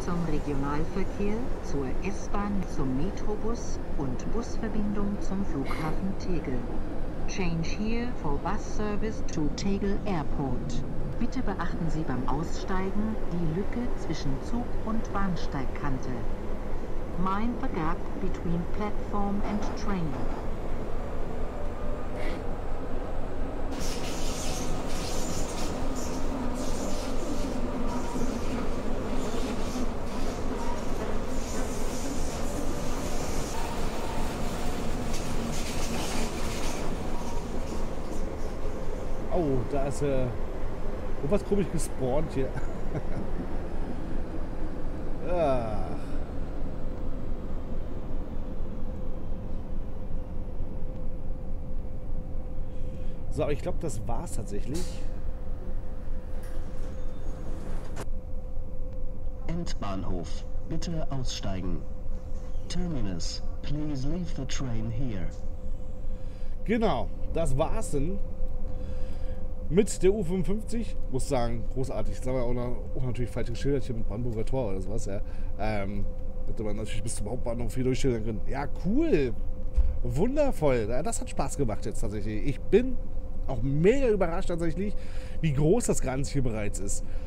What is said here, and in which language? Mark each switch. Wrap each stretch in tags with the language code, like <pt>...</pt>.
<de>Regionalverkehr zur S-Bahn, zum Metrobus und Busverbindung zum Flughafen Tegel.</de> <en>Change here for bus service to Tegel Airport.</en> <de>Bitte beachten Sie beim Aussteigen die Lücke zwischen Zug- und Bahnsteigkante.</de> <en>Mind the gap between platform and train.</en> <de>Da ist irgendwas komisch gespawnt hier. So, aber ich glaube, das war's tatsächlich. Endbahnhof. Bitte aussteigen. Terminus.</de> <en>Please leave the train here.</en> <de>Genau, das war's denn mit der U55. Muss sagen, großartig. Das haben wir auch natürlich falsch geschildert hier mit Brandenburger Tor oder sowas. Ja. Hätte man natürlich bis zum Hauptbahnhof hier durchschildern können. Ja, cool. Wundervoll. Das hat Spaß gemacht jetzt tatsächlich. Ich bin auch mega überrascht tatsächlich, wie groß das Ganze hier bereits ist.</de>